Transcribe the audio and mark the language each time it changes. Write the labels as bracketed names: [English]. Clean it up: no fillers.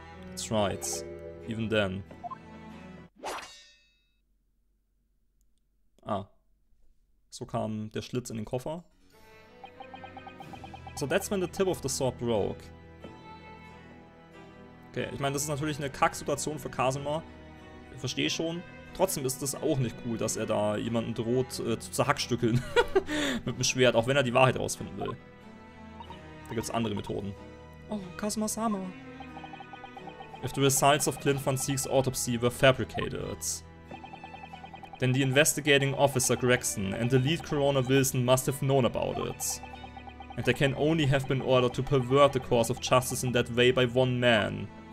[English] That's right. Even then. [German] Ah. So kam der Schlitz in den Koffer. [English] So that's when the tip of the sword broke. [German] Okay, ich meine, das ist natürlich eine Kacksituation für Kazuma. Ich verstehe schon. Trotzdem ist das auch nicht cool, dass er da jemanden droht zu zerhackstückeln mit dem Schwert, auch wenn er die Wahrheit rausfinden will. Da gibt's andere Methoden. [English] Oh, Kazuma-sama. If the results of Clint Van Sieg's autopsy were fabricated, then the investigating officer Gregson and the lead coroner Wilson must have known about it. And they can only have been ordered to pervert the course of justice in that way by one man.